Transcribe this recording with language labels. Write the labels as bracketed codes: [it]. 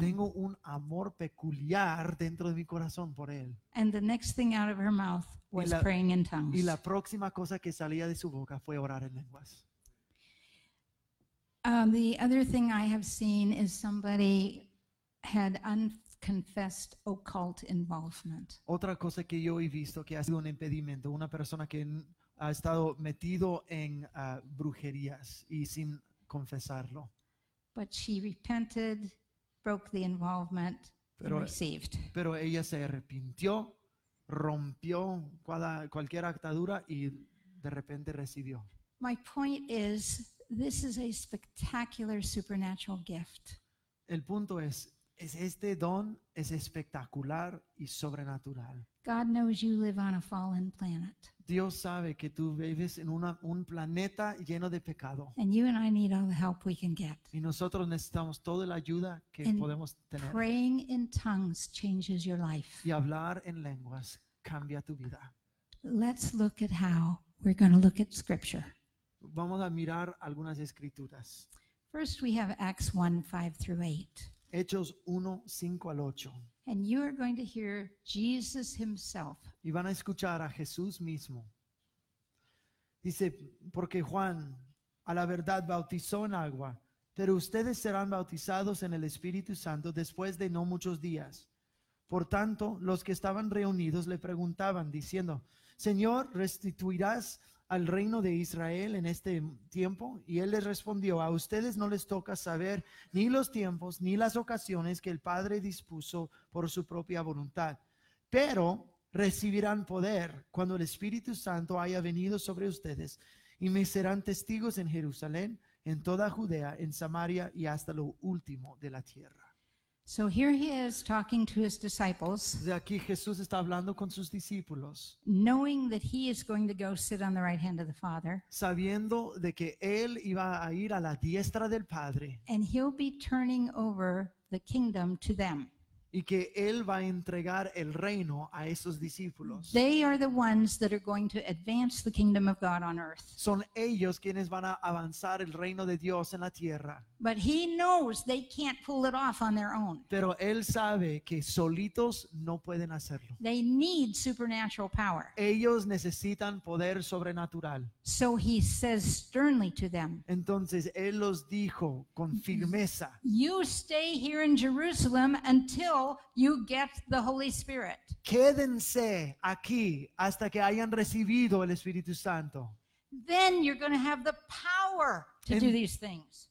[es] Tengo un amor peculiar dentro de mi corazón por él. [en] And the next thing out of her mouth was praying in tongues. [es] Y la próxima cosa que salía de su boca fue orar en lenguas. [en] The other thing I have seen is somebody had unconfessed occult involvement. [es] Otra cosa que yo he visto que ha sido un impedimento, una persona que ha estado metido en brujerías y sin confesarlo. [en] But she repented, broke the involvement, received. [es] Pero ella se arrepintió, rompió cualquier atadura y de repente recibió. [en] My point is, this is a spectacular supernatural gift. [es] El punto es este don es espectacular y sobrenatural. [en] God knows you live on a fallen planet. [es] Dios sabe que tú vives en un planeta lleno de pecado. [en] And you and I need all the help we can get. [es] Y nosotros necesitamos toda la ayuda que [en] and [es] podemos tener. [en] Praying in tongues changes your life. [es] Y hablar en lenguas cambia tu vida. [en] Let's look at how we're going to look at scripture. [es] Vamos a mirar algunas escrituras. [en] First we have Acts 1:5-8. [es] Hechos 1:5-8. [en] And you are going to hear Jesus himself. [es] Y van a escuchar a Jesús mismo. Dice, porque Juan a la verdad bautizó en agua, pero ustedes serán bautizados en el Espíritu Santo después de no muchos días. Por tanto, los que estaban reunidos le preguntaban, diciendo, Señor, ¿restituirás al reino de Israel en este tiempo? Y él les respondió, a ustedes no les toca saber ni los tiempos ni las ocasiones que el Padre dispuso por su propia voluntad, pero recibirán poder cuando el Espíritu Santo haya venido sobre ustedes y me serán testigos en Jerusalén, en toda Judea, en Samaria y hasta lo último de la tierra. [en] So here he is talking to his disciples. [es] De aquí Jesús está hablando con sus discípulos. [en] Knowing that he is going to go sit on the right hand of the Father. [es] Sabiendo de que él iba a ir a la diestra del Padre. [en] And he'll be turning over the kingdom to them. [es] Y que él va a entregar el reino a esos discípulos. [en] They are the ones that are going to advance the kingdom of God on earth. [es] Son ellos quienes van a avanzar el reino de Dios en la tierra. [en] But he knows they can't pull it off on their own. [es] Pero él sabe que solitos no pueden hacerlo. [en] They need supernatural power. [es] Ellos necesitan poder sobrenatural. [en] So he says sternly to them. [es] Entonces él los dijo con firmeza. [en] You stay here in Jerusalem until you get the Holy Spirit. [es] Quédense aquí hasta que hayan recibido el Espíritu Santo. [en] Then you're going to have the power to do these things.